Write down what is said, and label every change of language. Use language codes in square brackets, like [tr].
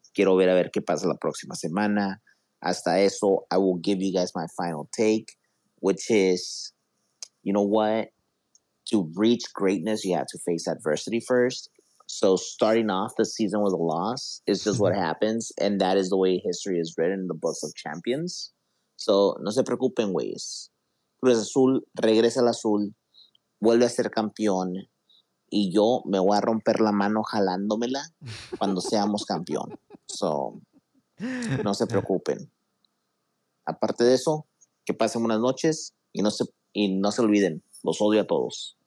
[es] Quiero ver a ver qué pasa la próxima semana. Hasta eso, [en] I will give you guys my final take, which is, you know what? To reach greatness, you have to face adversity first. So starting off the season with a loss is just what happens, and that is the way history is written in the books of champions. [es] So no se preocupen, güeyes. Cruz Azul regresa al Azul, vuelve a ser campeón, y yo me voy a romper la mano jalándomela cuando seamos campeón. So, no se preocupen. Aparte de eso, que pasen buenas noches y no se olviden, los odio a todos.